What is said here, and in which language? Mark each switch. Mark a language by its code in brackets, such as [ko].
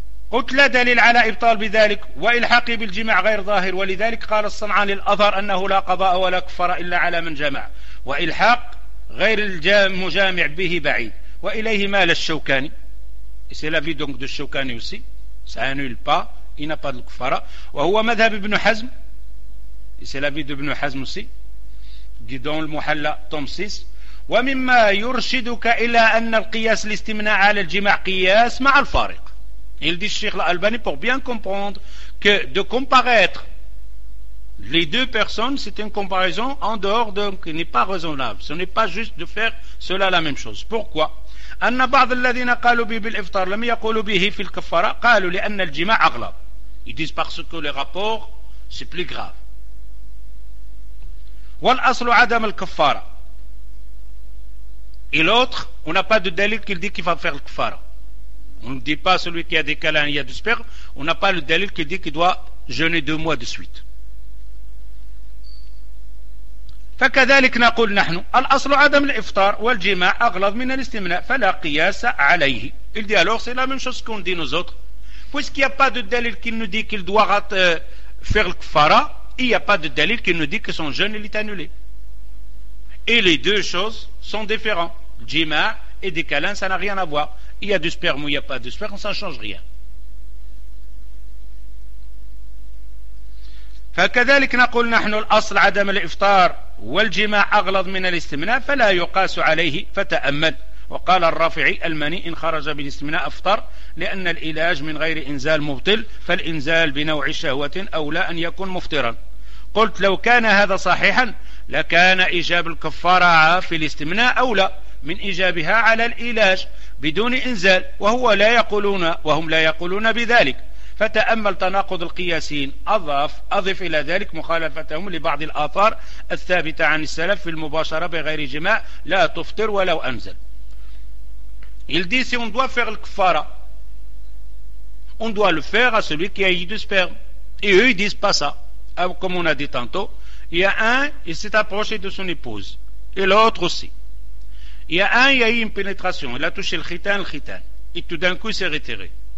[ar] قلت لا دليل على إبطال بذلك وإلحاق بالجمع غير ظاهر ولذلك قال الصنعاني الأظهر أنه لا قضاء ولا كفر إلا على من جمع وإلحاق غير المجامع به بعيد وإليه مال الشوكاني [fr] c'est la vie donc de Choukani aussi ça annule pas il n'a pas de kufara [ar] وهو مذهب ابن حزم [fr] c'est la vie de ابن حزم aussi qui dans le [ar] محلى tome 6 ومما يرشدك إلى أن القياس الاستمناع على الجماع قياس مع الفارق. [fr] Il dit Cheikh Al-Albani, pour bien comprendre que de comparaître les deux personnes, c'est une comparaison en dehors, donc qui n'est pas raisonnable. Ce n'est pas juste de faire cela la même chose. Pourquoi ? [ar] أن بعض الذين قالوا به بالإفطار لم يقولوا به في الكفارة قالوا لأن الجماع أغلب. [fr] Ils disent parce que les rapports c'est plus grave. [ar] والأصل عدم الكفارة. [fr] Et l'autre, on n'a pas de dalil qui dit qu'il va faire le kuffara. On ne dit pas celui qui a des câlins, il y a du sperme. On n'a pas le dalil qui dit qu'il doit jeûner deux mois de suite. [ar] فكذلك نقول نحن الأصل عدم الإفطار والجماع أغلظ من الاستمناء فلا قياس عليه. [fr] Il dit alors c'est la même chose qu'on dit nous autres. Puisqu'il n'y a pas de dalil qui nous dit qu'il doit faire le kuffara, il n'y a pas de dalil qui nous dit que son jeûne est annulé. Et les deux choses sont différentes. Jima et des câlins, ça n'a rien à voir. Il y a du sperme ou il n'y a pas de sperme, ça ne change rien. [ar] فكذلك نقول نحن الأصل عدم الإفطار والجماع أغلظ من الاستمناء فلا يقاس عليه فتأمل. وقال الرافعي المني إن خرج بالاستمناء أفطر لأن العلاج من غير إنزال مبطل فالإنزال بنوع شهوة أولى أن يكون مفطرا. قلت لو كان هذا صحيحا لكان إجاب الكفارة في الاستمناء أولى من إجابها على العلاج بدون إنزال وهم لا يقولون بذلك. فتأمل تناقض القياسين أضف إلى ذلك مخالفتهم لبعض الآثار الثابتة عن السلف في المباشرة بغير جماع لا تفطر ولو أنزل. [fr] Il dit si on doit faire le kuffara, on doit le faire à celui qui a eu du sperme. Et eux ils disent pas ça. Comme on a dit tantôt, il y a un, il s'est approché de son épouse, et l'autre aussi. Il y a un, il y a eu une pénétration, il a touché le khitan, et tout d'un coup il s'est retiré.